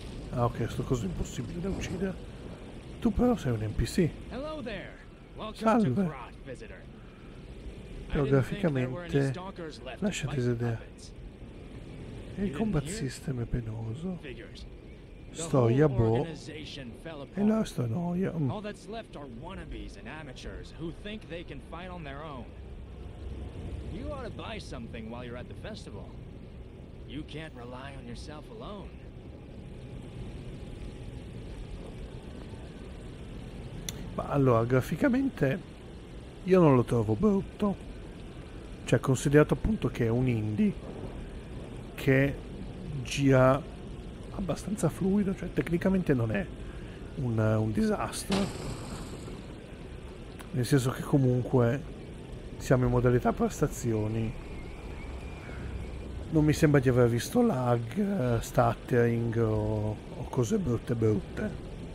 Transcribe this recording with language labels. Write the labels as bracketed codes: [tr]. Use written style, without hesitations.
[it] Ah, ok, sto coso impossibile da uccidere. Tu però sei un NPC. [en] Hello there. Salve. [it] Però graficamente lascia desiderare. E il combat system è penoso. Storia boh. E la sto noia. [en] All that's left are wannabes and amateurs who think they can fight on their own. You ought to buy something while you're at the festival. You can't rely on yourself alone. [it] Ma allora, graficamente io non lo trovo brutto, cioè considerato appunto che è un indie che gira abbastanza fluido, cioè tecnicamente non è un disastro, nel senso che comunque siamo in modalità prestazioni, non mi sembra di aver visto lag, stuttering o cose brutte.